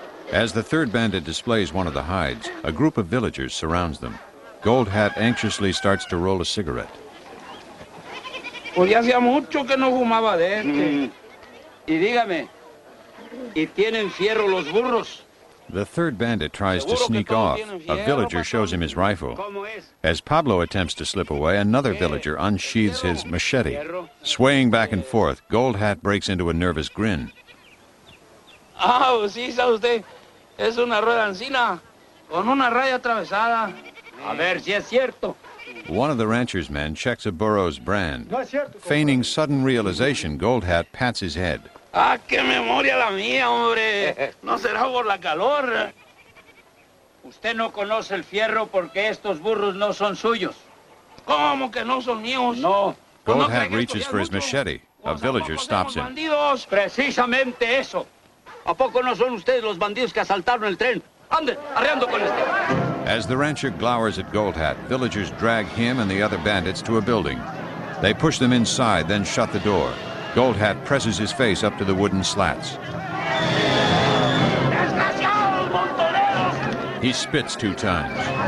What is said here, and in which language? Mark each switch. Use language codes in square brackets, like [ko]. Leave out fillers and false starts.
[en] As the third bandit displays one of the hides, a group of villagers surrounds them. Gold Hat anxiously starts to roll a cigarette. [es] Pues ya hacía mucho que no fumaba de este. Y dígame, ¿y tienen fierro los burros? [en] The third bandit tries to sneak off. A villager shows him his rifle. As Pablo attempts to slip away, another villager unsheathes his machete. Swaying back and forth, Gold Hat breaks into a nervous grin. [es] Ah, sí, sabe usted. Es una rueda encina con una raya atravesada. A ver si es cierto. [en] One of the rancher's men checks a burro's brand. Feigning sudden realization, Gold Hat pats his head. [es] Ah, qué memoria la mía, hombre. No será por la calor. Usted no conoce el fierro porque estos burros no son suyos. ¿Cómo que no son míos? No. [en] Gold Hat reaches for his machete. A villager stops him. [es] Precisamente eso. ¿A poco no son ustedes los bandidos que asaltaron el tren? Ande, arreando con este. [en] As the rancher glowers at Gold Hat, villagers drag him and the other bandits to a building. They push them inside, then shut the door. Gold Hat presses his face up to the wooden slats. He spits two times.